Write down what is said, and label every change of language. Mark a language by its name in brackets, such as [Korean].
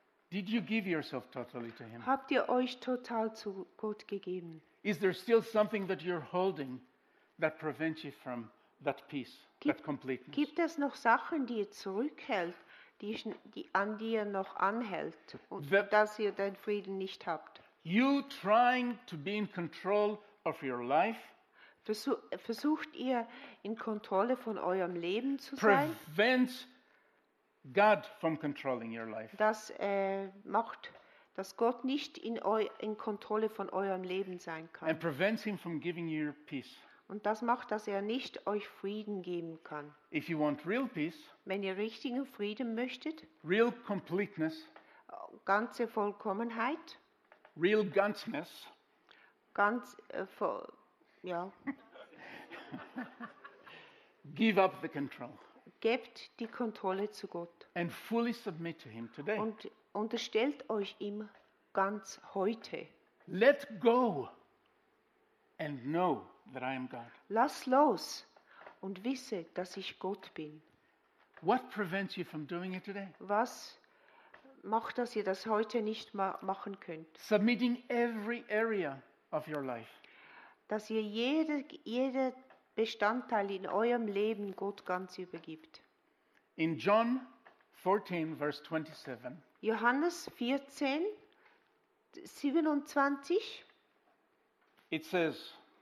[English] Did you give yourself totally to him? [German] Habt ihr euch total zu Gott gegeben? [English] Is there still something that you're holding that prevents you from that peace, that completeness? [German] Gibt es noch Sachen, die ihr zurückhält, die an dir noch anhält, und dass ihr den Frieden nicht habt? [English] You trying to be in control of your life? [German] Versucht ihr in Kontrolle von eurem Leben zu [English] prevents [German] sein? [English] Prevents God from controlling your life. [German] Das macht, dass Gott nicht in Kontrolle von eurem Leben sein kann. [English] And prevents him from giving you peace. [German] Und das macht, dass er nicht euch Frieden geben kann. [English] If you want real peace, [German] wenn ihr richtigen Frieden möchtet, [English] real completeness, [German] ganze Vollkommenheit, [English] real ganzness, [German] ganz voll, ja. [English] Give up the control. [German] Gebt die Kontrolle zu Gott. [English] And fully submit to him today. [German] Und unterstellt euch ihm ganz heute. [English] Let go and know that I am God. [German] Lass los und wisse, dass ich Gott bin. [English] What prevents you from doing it today? [German] Was macht, dass ihr das heute nicht machen könnt? [English] Submitting every area of your life. [German] Dass ihr jede Bestandteil in eurem Leben Gott ganz übergibt. [English] In John 14, verse 27. [German] Johannes 14, 27. [English] It says,